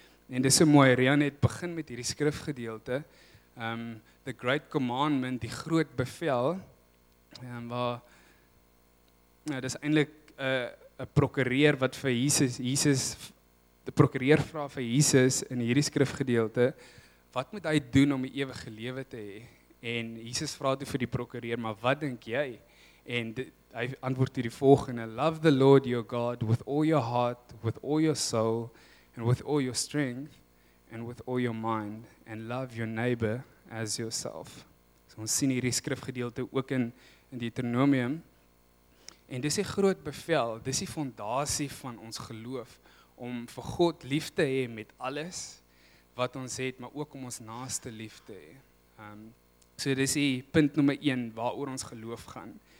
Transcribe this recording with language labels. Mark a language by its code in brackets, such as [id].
[af] En dis so mooi, Rian het begin met hierdie skrifgedeelte, [en] the great commandment, [af] die groot bevel, dis eintlik 'n prokureur wat vir Jesus die prokureur vra vir Jesus in hierdie skrifgedeelte, wat moet hy doen om 'n ewige lewe te hê? En Jesus vra toe vir die prokureur, maar wat dink jy? En hy antwoord toe die volgende: [en] love the Lord your God with all your heart, with all your soul, and with all your strength, and with all your mind, and love your neighbor as yourself. [af] So ons sien hierdie skrifgedeelte ook in Deuteronomium. En dis 'n groot bevel, dis die fondasie van ons geloof, om vir God lief te hê met alles wat ons het, maar ook om ons naaste lief te hê. So dis die punt nommer 1 waaroor ons geloof gaan.